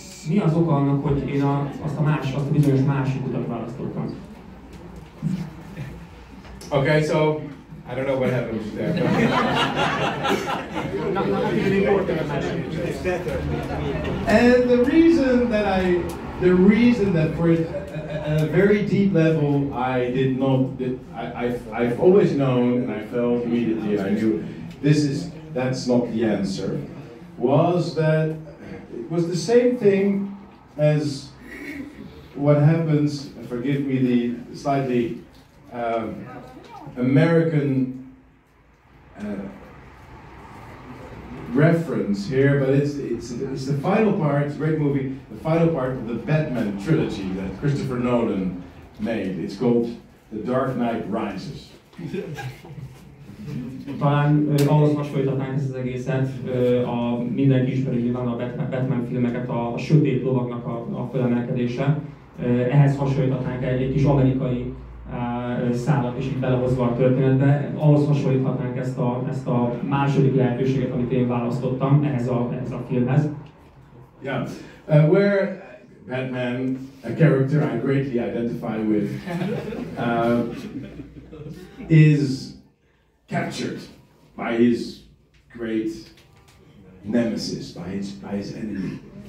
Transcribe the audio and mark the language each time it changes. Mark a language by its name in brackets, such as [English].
[Hungarian] Mi az oka annak, hogy én azt a bizonyos másik utat választottam? [English] Okay, so I don't know what happens there. Not really important. And the reason that, at a very deep level, I've always known and I felt immediately I knew that's not the answer. Was that it was the same thing as what happens, forgive me the slightly American reference here, but it's the final part, it's a great movie, the final part of the Batman trilogy that Christopher Nolan made. It's called The Dark Knight Rises. [Hungarian] Talán ahhoz most folytatnánk ezt az egészet, mindenki ismeri nyilván a Batman filmeket, a sötét lovagnak a fölemelkedése. Ehhez hasonlíthatnánk egy kis amerikai szállat is itt belehozva a történetbe. Ahhoz hasonlíthatnánk ezt a második lehetőséget, amit én választottam ehhez a filmhez. [English] Yeah. Where Batman, a character I greatly identify with, is captured by his great nemesis, by his enemy.